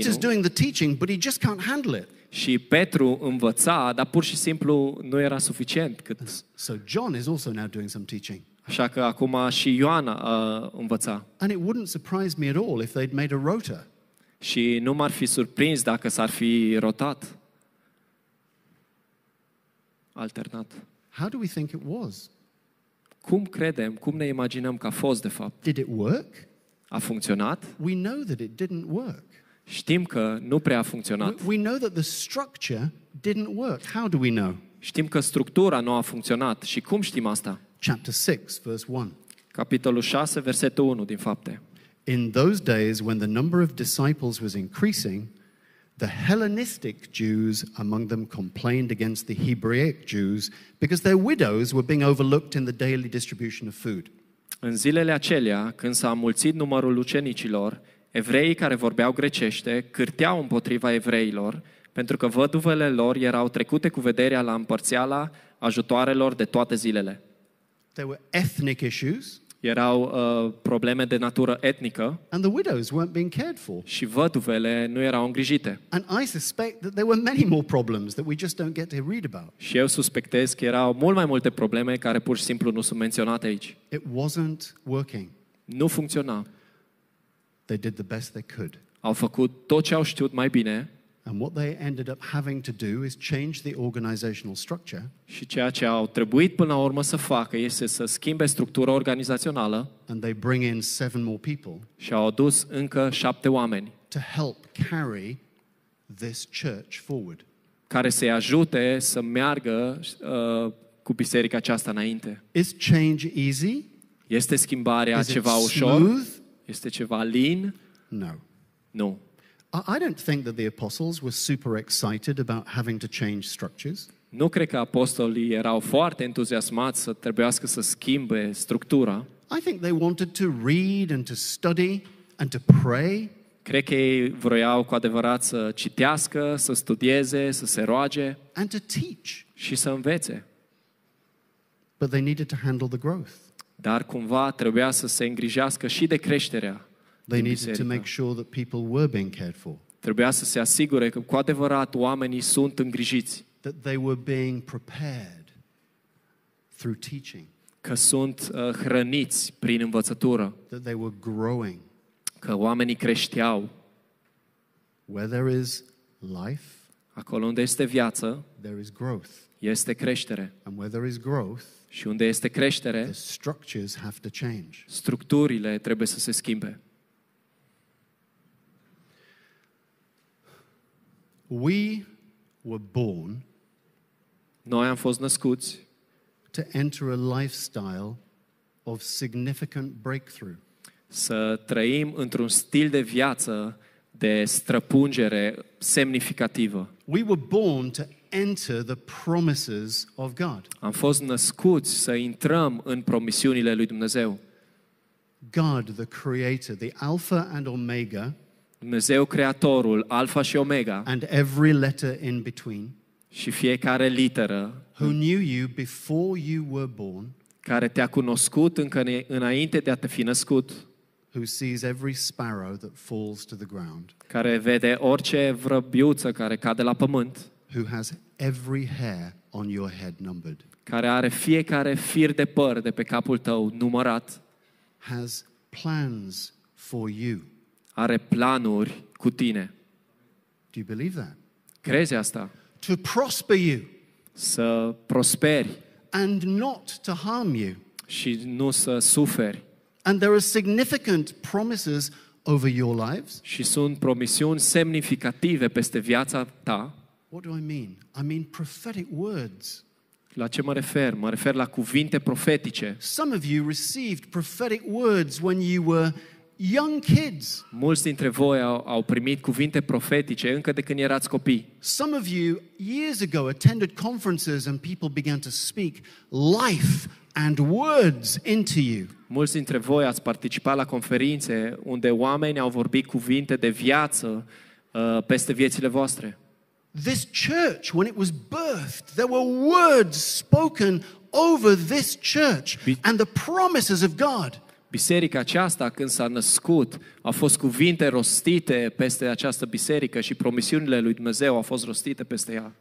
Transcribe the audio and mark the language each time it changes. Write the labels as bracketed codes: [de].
[en] Peter's doing the teaching, but he just can't handle it. [ro] Și Petru învăța, dar pur și simplu nu era suficient cât. [en] So John is also now doing some teaching. [ro] Așa că acum și Ioan învăța. [en] And it wouldn't surprise me at all if they'd made a rota. [ro] Și nu m-ar fi surprins dacă s-ar fi rotat. Alternat. [en] How do we think it was? [ro] Cum credem, cum ne imaginăm că a fost de fapt? [en] Did it work? [ro] A funcționat? [en] We know that it didn't work. [ro] Știm că nu prea a funcționat. [en] We know that the structure didn't work. How do we know? [ro] Știm că structura nu a funcționat. Și cum știm asta? [en] Chapter 6, verse 1. [ro] Capitolul 6, versetul 1 din Fapte. [en] In those days when the number of disciples was increasing, the Hellenistic Jews among them complained against the Hebraic Jews because their widows were being overlooked in the daily distribution of food. [ro] În zilele acelea, când s-a mulțit numărul ucenicilor, evreii care vorbeau grecește cârteau împotriva evreilor pentru că văduvele lor erau trecute cu vederea la împărțiala ajutoarelor de toate zilele. [en] There were ethnic issues. [ro] Erau probleme de natură etnică. [en] And the widows weren't being cared for. [ro] Și văduvele nu erau îngrijite. [en] And I suspect that there were many more problems that we just don't get to read about. [ro] Și eu suspectez că erau mult mai multe probleme care pur și simplu nu sunt menționate aici. [en] It wasn't working. [ro] Nu funcționa. [en] They did the best they could. [ro] Au făcut tot ce au știut mai bine. [en] And what they ended up having to do is change the organizational structure. [ro] Și ceea ce au trebuit până la urmă să facă este să schimbe structura organizațională. [en] And they bring in 7 more people. [ro] Și au adus încă 7 oameni. [en] To help carry this church forward. [ro] Care să-i ajute să meargă cu biserica aceasta înainte. [en] Is change easy? [ro] Este schimbarea [en] is [ro] ceva [en] it [ro] ușor? [en] Smooth? [ro] Este ceva lin? [en] No. [ro] Nu. [en] I don't think that the apostles were super excited about having to change structures. [ro] Nu cred că apostolii erau foarte entuziasmați să trebuiască să schimbe structura. [en] I think they wanted to read and to study and to pray. [ro] Cred că ei vroiau cu adevărat să citească, să studieze, să se roage. [en] And to teach. [ro] Și să învețe. [en] But they needed to handle the growth. [ro] Dar cumva trebuia să se îngrijească și de creșterea. [en] They needed to make sure that people were being cared for. [ro] Trebuia să se asigure că cu adevărat oamenii sunt îngrijiți. [en] That they were being prepared through teaching. [ro] Că sunt hrăniți prin învățătură. [en] That they were growing. [ro] Că oamenii creșteau. [en] Where there is life, [ro] acolo unde este viață, [en] there is growth. [ro] Este creștere. [en] And where there is growth, [ro] și unde este creștere, [en] the structures have to change. [ro] Structurile trebuie să se schimbe. [en] We were born. [ro] Noi am fost născuți [en] to enter a lifestyle of significant breakthrough. [ro] Să trăim într-un stil de viață de străpungere semnificativă. [en] We were born to enter the promises of God. [ro] Am fost născuți să intrăm în promisiunile lui Dumnezeu. [en] God, the Creator, the Alpha and Omega. [ro] Dumnezeu Creatorul, Alfa și Omega. [en] And every letter in between. [ro] Și fiecare literă. [en] Who knew you before you were born. [ro] Care te-a cunoscut încă înainte de a te fi născut. [en] Who sees every sparrow that falls to the ground. [ro] Care vede orice vrăbiuță care cade la pământ. [en] Who has every hair on your head numbered. [ro] Care are fiecare fir de păr de pe capul tău numărat. [en] Has plans for you. [ro] Are planuri cu tine. [en] Do you believe that? [ro] Crezi asta? [en] To prosper you. [ro] Să prosperi. [en] And not to harm you. [ro] Și nu să suferi. [en] And there are significant promises over your lives. [ro] Și sunt promisiuni semnificative peste viața ta. [en] What do I mean? I mean prophetic words. [ro] La ce mă refer? Mă refer la cuvinte profetice. [en] Some of you received prophetic words when you were young kids. [ro] Mulți dintre voi au primit cuvinte profetice încă de când erați copii. [en] Some of you years ago attended conferences and people began to speak life and words into you. [ro] Mulți dintre voi ați participat la conferințe unde oameni au vorbit cuvinte de viață peste viețile voastre. [en] This church, when it was birthed, there were words spoken over this church and the promises of God. [ro] Biserica aceasta, când s-a născut, au fost cuvinte rostite peste această biserică și promisiunile lui Dumnezeu au fost rostite peste ea.